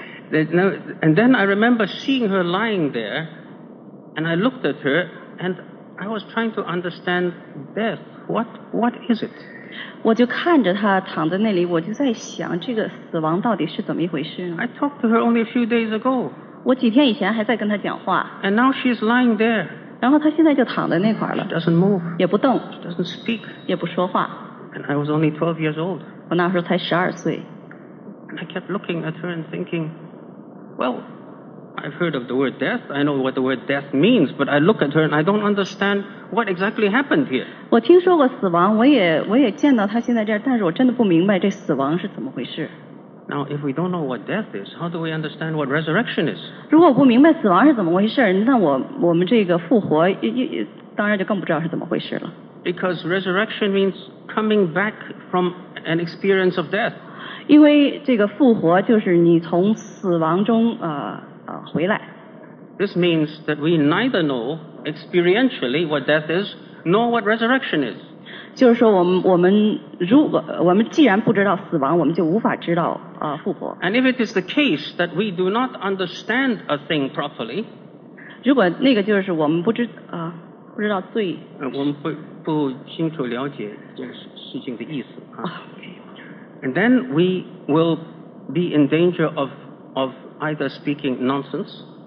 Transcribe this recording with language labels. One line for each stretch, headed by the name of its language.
English: And then I remember seeing her lying there, and I looked at her, and I was trying to understand death. What is it?
Chinese: 我就看着她躺在那里，我就在想这个死亡到底是怎么一回事呢
English: ？I talked to her only a few days ago.
Chinese: 我几天以前还在跟他讲话。
English: And now she's lying there.
Chinese: 然后他现在就躺在那块了。
English: She doesn't move.
Chinese: 也不动。
English: She doesn't speak.
Chinese: 也不说话。
English: And I was only 12 years old.
Chinese: 我那时候才12岁。
English: And I kept looking at her and thinking, well, I've heard of the word death. I know what the word death means, but I look at her and I don't understand what exactly happened here.
Chinese: 我听说过死亡，我也见到她现在这儿，但是我真的不明白这死亡是怎么回事。
English: Now, if we don't know what death is, how do we understand what resurrection is?
Chinese: 如果我不明白死亡是怎么回事，那我们这个复活，当然就更不知道是怎么回事了。
English: Because resurrection means coming back from an experience of death.
Chinese: 因为这个复活就是你从死亡中回来。
English: This means that we neither know experientially what death is, nor what resurrection is.
Chinese: 就是说我们如果我们既然不知道死亡，我们就无法知道复活。
English: And if it is the case that we do not understand a thing properly,
Chinese: 如果那个就是我们不知道罪，我们不清楚了解这事情的意思啊。
English: Okay. And then we will be in danger of either speaking nonsense.